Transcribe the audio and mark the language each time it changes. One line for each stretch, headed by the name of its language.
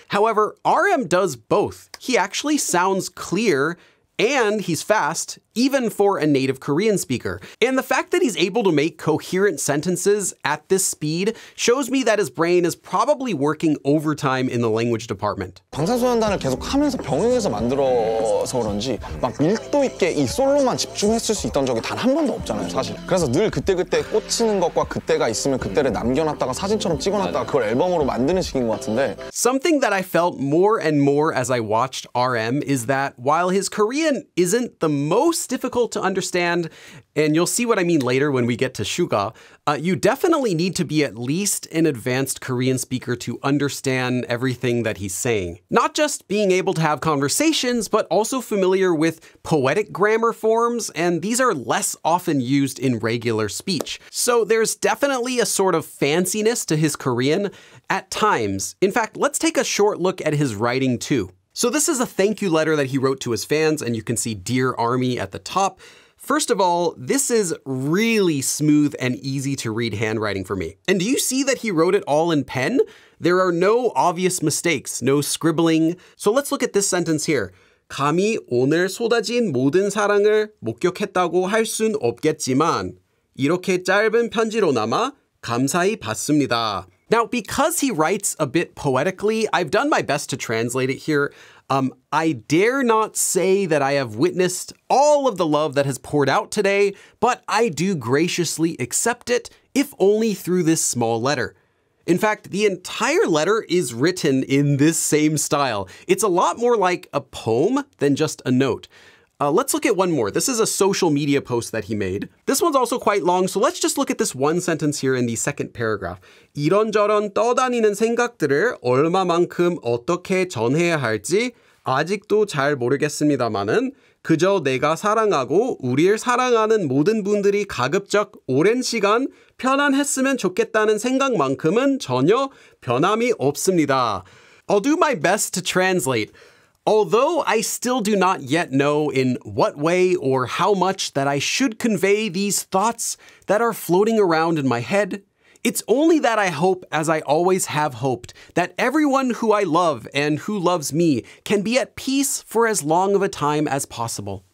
English: However, RM does both. He actually sounds clear, and he's fast, even for a native Korean speaker. And the fact that he's able to make coherent sentences at this speed shows me that his brain is probably working overtime in the language department.
Korean: 방탄소년단을 계속 하면서 병행해서 만들어서 그런지 막 밀도 있게 이 솔로만 집중했을 수 있던 적이 단 한 번도 없잖아요, 사실. 그래서 늘 그때그때 꽂히는 것과 그때가 있으면 그때를 남겨놨다가 사진처럼 찍어놨다가 그걸 앨범으로 만드는 식인 것 같은데.
English: Something that I felt more and more as I watched RM is that while his Korean isn't the most difficult to understand, and you'll see what I mean later when we get to Suga, you definitely need to be at least an advanced Korean speaker to understand everything that he's saying. Not just being able to have conversations, but also familiar with poetic grammar forms, and these are less often used in regular speech. So there's definitely a sort of fanciness to his Korean at times. In fact, let's take a short look at his writing too. So this is a thank you letter that he wrote to his fans, and you can see Dear Army at the top. First of all, this is really smooth and easy to read handwriting for me. And do you see that he wrote it all in pen? There are no obvious mistakes, no scribbling. So let's look at this sentence here.
Korean: 감히 오늘 쏟아진 모든 사랑을 목격했다고 할 순 없겠지만 이렇게 짧은 편지로나마 감사히 받습니다.
English: Now, because he writes a bit poetically, I've done my best to translate it here. I dare not say that I have witnessed all of the love that has poured out today, but I do graciously accept it, if only through this small letter. In fact, the entire letter is written in this same style. It's a lot more like a poem than just a note. Let's look at one more. This is a social media post that he made. This one's also quite long, so let's just look at this one sentence here in the second paragraph.
Korean: 이런저런 떠다니는 생각들을 얼마만큼 어떻게 전해야 할지 아직도 잘 모르겠습니다만은 그저 내가 사랑하고 우리를 사랑하는 모든 분들이 가급적 오랜 시간 편안했으면 좋겠다는 생각만큼은 전혀 변함이 없습니다.
English: I'll do my best to translate. Although I still do not yet know in what way or how much that I should convey these thoughts that are floating around in my head, it's only that I hope, as I always have hoped, that everyone who I love and who loves me can be at peace for as long of a time as possible.